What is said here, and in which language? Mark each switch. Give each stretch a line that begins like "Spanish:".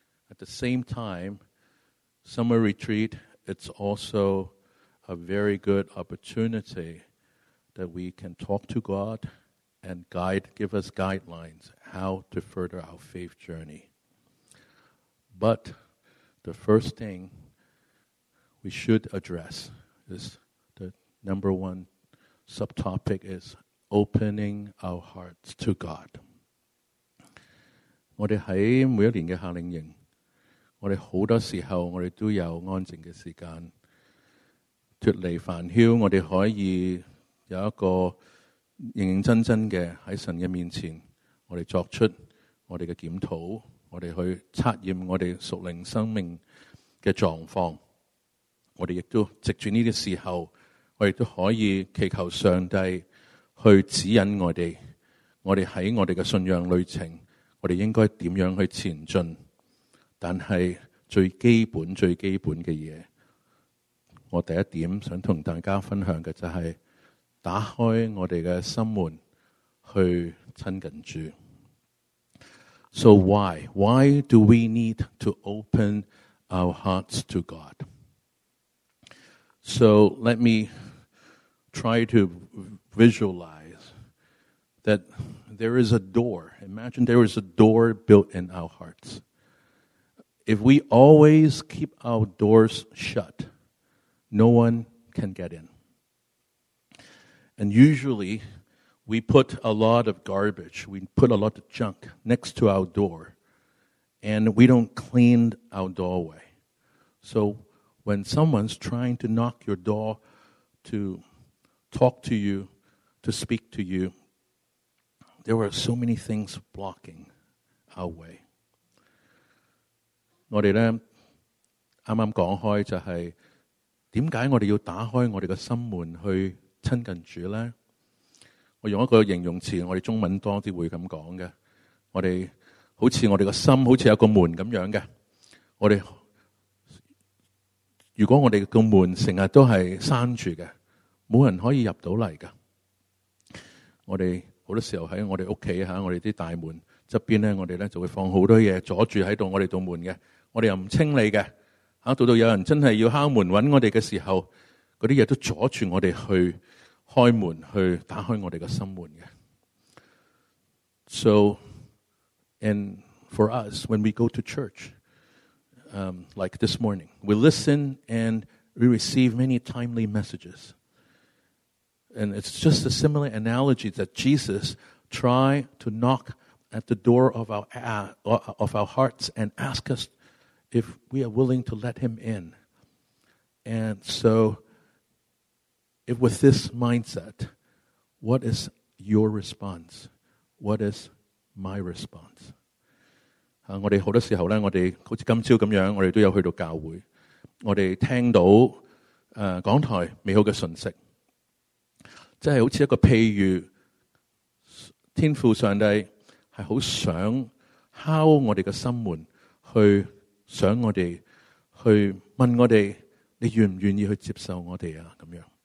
English: At the same time, summer retreat, it's also a very good opportunity that we can talk to God and guide, give us guidelines how to further our faith journey. But the first thing we should address is the number one subtopic is opening our hearts to God.
Chinese: 我们在每一年的夏令营，我们很多时候我们都有安静的时间，脱离烦嚣，我们可以有一个认认真真的在神的面前，我们作出我们的检讨，我们去测验我们属灵生命的状况。我们也都藉着这些时候，我们也可以祈求上帝去指引我们，我们在我们的信仰旅程，我们应该怎样去前进。但是最基本最基本的事，我第一点想跟大家分享的就是打开我们的心门去亲近主。
English: So why? Why do we need to open our hearts to God? So let me try to visualize that there is a door. Imagine there is a door built in our hearts. If we always keep our doors shut, no one can get in. And usually, we put a lot of garbage, we put a lot of junk next to our door, and we don't clean our doorway. So when someone's trying to knock your door to talk to you, to speak to you, there are so many things blocking our way.
Chinese: 我们刚刚讲开就是为什么我们要打开我们的心门去亲近主呢？我用一个形容词，我们中文多些会这样说的，我们好像我们的心好像有个门这样的，我们如果我们的门成日都是闩住的，没人可以入到来的。我们很多时候在我们家里，我们的大门旁边，我们就会放很多东西阻住在我们的门的，我们又不清理的，到有人真的要敲门找我们的时候，那些东西都阻住我们去开门，去打开我们的心门的。
English: So, and for us, when we go to church, like this morning, we listen and we receive many timely messages. And it's just a similar analogy that Jesus tried to knock at the door of our hearts and ask us if we are willing to let him in. And so, if with this mindset, what is your response? What is my response?
Chinese: 我们很多时候呢，我们好像今朝这样，我们都有去到教会，我们听到讲台美好的讯息，就是好像一个譬如天父上帝是很想敲我们的心门，去想我们，去问我们，你愿不愿意去接受我们啊，这样。